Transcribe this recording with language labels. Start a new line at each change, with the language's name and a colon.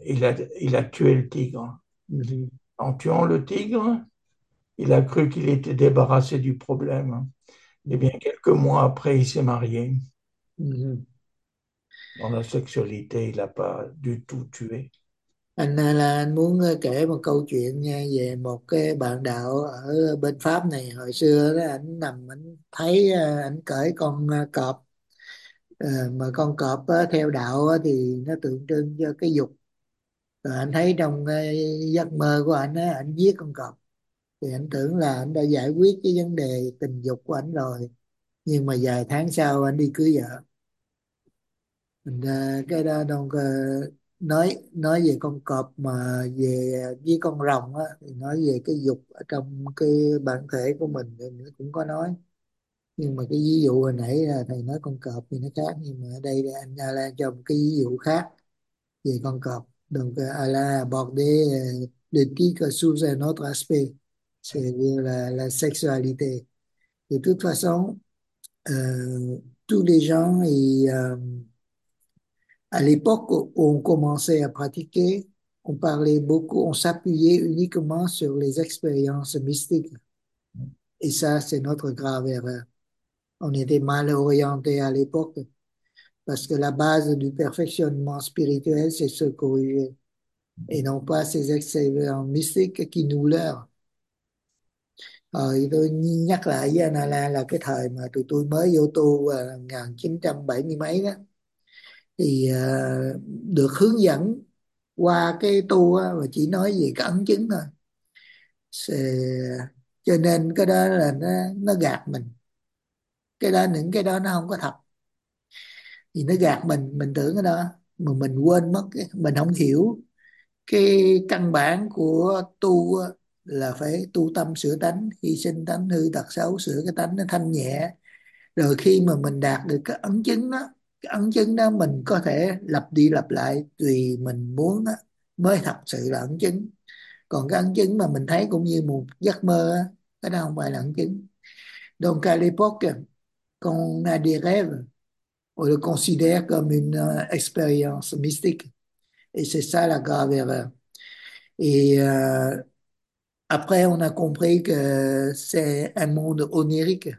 French: Il a tué le tigre. En tuant le tigre, il a cru qu'il était débarrassé du problème. Eh bien, quelques mois après, il s'est marié. Dans la sexualité, il n'a pas du tout tué.
Vietnamese: Anh là anh muốn kể một câu chuyện nha về một cái bạn đạo ở bên Pháp này. Hồi xưa đó anh nằm anh thấy anh cởi con cọp, mà con cọp theo đạo thì nó tượng trưng cho cái dục. Rồi anh thấy trong giấc mơ của anh á, anh giết con cọp thì anh tưởng là anh đã giải quyết cái vấn đề tình dục của anh rồi, nhưng mà vài tháng sau anh đi cưới vợ. Cái đó đồng nói về con cọp mà về với con rồng á, thì nói về cái dục ở trong cái bản thể của mình thì nó cũng có nói, nhưng mà cái ví dụ hồi nãy là thầy nói con cọp thì nó khác, nhưng mà ở đây anh Alan cho một cái ví dụ khác về con cọp.
French: Donc Alan aborde le tigre sous un autre aspect, c'est-à-dire la sexualité. De toute façon, tous les gens et à l'époque où on commençait à pratiquer, on parlait beaucoup, on s'appuyait uniquement sur les expériences mystiques. Et ça, c'est notre grave erreur. On était mal orienté à l'époque parce que la base du perfectionnement spirituel, c'est se corriger et non pas ces expériences mystiques qui nous leurrent.
Vietnamese: Tôi nhắc lại với anh Alain là cái thời mà tụi tôi mới vô tu 1970 mấy đó, thì được hướng dẫn qua cái tu và chỉ nói về cái ấn chứng thôi, Cho nên cái đó là nó gạt mình. Cái đó, những cái đó nó không có thật. Thì nó gạt mình tưởng cái đó mà mình quên mất, mình không hiểu cái căn bản của tu là phải tu tâm sửa tánh, hy sinh tánh hư tật xấu, sửa cái tánh nó thanh nhẹ. Rồi khi mà mình đạt được cái ấn chứng đó, cái ấn chứng đó mình có thể lặp đi lặp lại tùy mình muốn đó, mới thật sự là ấn chứng. Còn cái ấn chứng mà mình thấy cũng như một giấc mơ đó, cái đó không phải là ấn chứng.
French: Donc à l'époque, quand on a des rêves, on le considère comme une expérience mystique. Et c'est ça la grave erreur. Et après, on a compris que c'est un monde onirique.